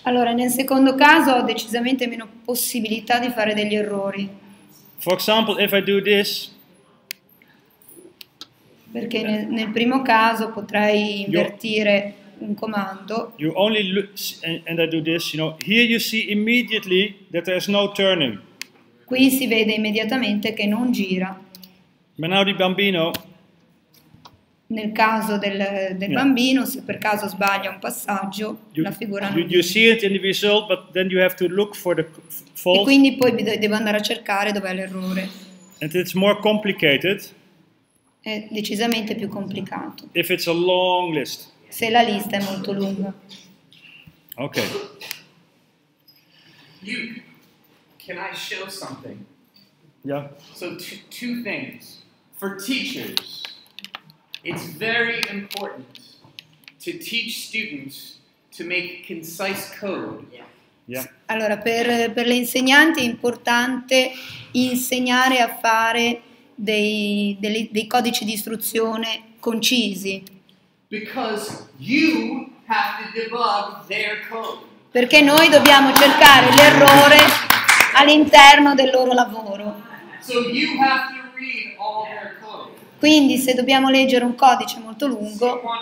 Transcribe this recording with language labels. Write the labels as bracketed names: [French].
[Italian] Allora, nel secondo caso ho decisamente meno possibilità di fare degli errori. [English] For example, if I do this. [Italian] Perché nel primo caso potrei invertire un comando. [English] You only look, and I do this, you know, here you see immediately that there's no turning. [Italian] Qui si vede immediatamente che non gira. Ma now di bambino. Nel caso del yeah. bambino, se per caso sbaglia un passaggio, la figura non [English] you see it in the result, but then you have to look for the fault. [Italian] E quindi poi devo andare a cercare dov'è l'errore. [English] And it's more complicated. [Italian] È decisamente più complicato. [English] If it's a long list. [Italian] Se la lista è molto lunga. Ok. [English] You, can I show something? Yeah. So two things. For teachers, it's very important to teach students to make concise code. Yeah. Yeah. [Italian] Allora, per le insegnanti è importante insegnare a fare dei codici di istruzione concisi. [English] Because you have to debug their code. [Italian] Perché noi dobbiamo cercare l'errore all'interno del loro lavoro. [English] So you have to read all their code. [Italian] Quindi se dobbiamo leggere un codice molto lungo